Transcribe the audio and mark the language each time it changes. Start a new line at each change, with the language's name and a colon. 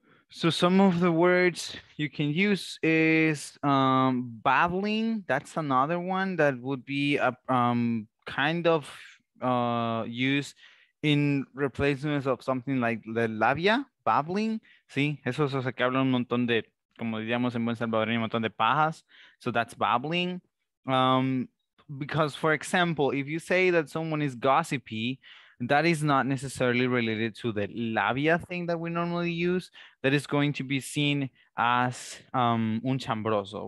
English: So some of the words you can use is babbling. That's another one that would be a kind of use in replacement of something like the labia, babbling.
Spanish: Sí, eso es, o sea, que habla un montón de, como diríamos en buen salvadoreño, un montón de pajas.
English: So that's babbling. Because, for example, if you say that someone is gossipy, that is not necessarily related to the labia thing that we normally use. That is going to be seen as
Spanish: un chambroso.